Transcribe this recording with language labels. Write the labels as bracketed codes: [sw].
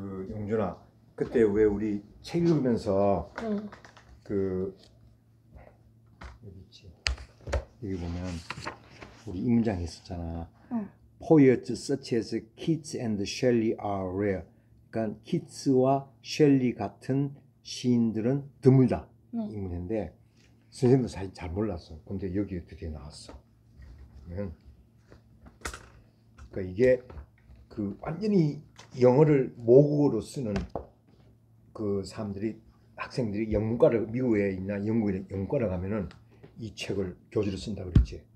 [ko] 영준아, 그때 왜 우리 책 읽으면서 그 여기 보면 우리 이 문장 했었잖아. [en] Poets such as Keats and Shelley are rare. [ko] 그러니까 키츠와 셸리 같은 시인들은 드물다 이 문인데 선생님도 사실 잘 몰랐어. 근데 여기에 드디어 나왔어. 그러니까 이게 그 완전히 영어를 모국어로 쓰는 그 사람들이 학생들이 영문과를 미국에 있나 영국에 영문과를 가면은 이 책을 교재로 쓴다 그랬지.